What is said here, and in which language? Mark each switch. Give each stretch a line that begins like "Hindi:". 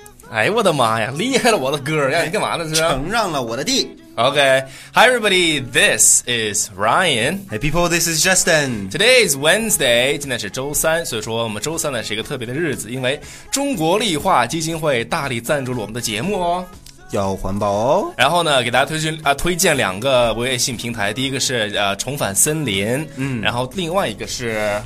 Chinese: 哎我的妈呀，厉害了我的哥，让你干嘛呢？是承让了我的地。
English: OK, hi everybody, this is Ryan. Hey people, this is Justin. Today is Wednesday,
Chinese: 今天是周三，所以说我们周三呢是一个特别的日子，因为中国绿化基金会大力赞助了我们的节目哦。要环保哦。然后呢给大家推荐两个微信平台，第一个是重返森林，然后另外一个是